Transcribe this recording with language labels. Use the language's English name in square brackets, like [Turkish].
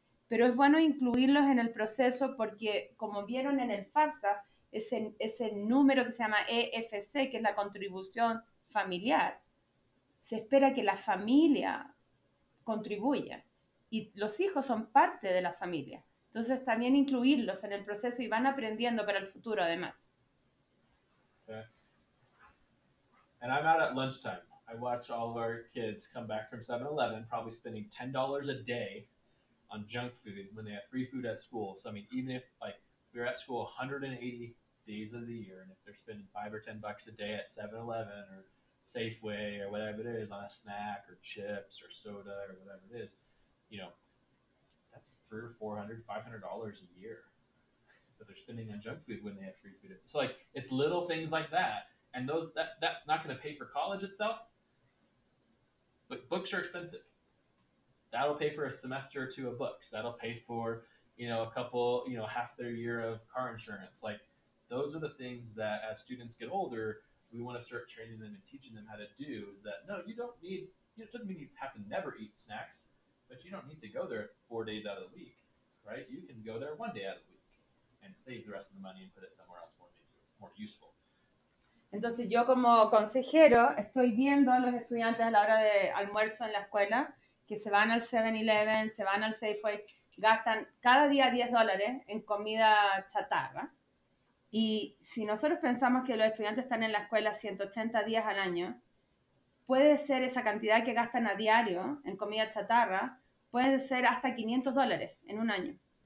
[Spanish] Pero es bueno incluirlos en el proceso porque, como vieron en el FAFSA, ese número que se llama EFC, que es la contribución familiar, se espera que la familia contribuya y los hijos son parte de la familia. Entonces también incluirlos en el proceso y van aprendiendo para el futuro además. [English] Okay. And I'm out at lunchtime. I watch all of our kids come back from 7-Eleven, probably spending $10 a day on junk food when they have free food at school. So I mean, even if like we're at school 180 days of the year, and if they're spending $5 or $10 a day at 7-Eleven or Safeway or whatever it is on a snack or chips or soda or whatever it is, you know, that's $300, $400, $500 a year that they're spending on junk food when they have free food. So like it's little things like that, and those that's not going to pay for college itself. But books are expensive. That'll pay for a semester or two of books. That'll pay for, you know, a couple, you know, half their year of car insurance. Like, those are the things that as students get older, we want to start training them and teaching them how to do. Is that, no, you don't need, you know, it doesn't mean you have to never eat snacks, but you don't need to go there 4 days out of the week, right? You can go there 1 day out of the week and save the rest of the money and put it somewhere else more, maybe, more useful. [Spanish] Entonces yo como consejero estoy viendo a los estudiantes a la hora de almuerzo en la escuela que se van al 7-Eleven, se van al Safeway, gastan cada día $10 en comida chatarra. Y si nosotros pensamos que los estudiantes están en la escuela 180 días al año, puede ser esa cantidad que gastan a diario en comida chatarra, puede ser hasta $500 en un año.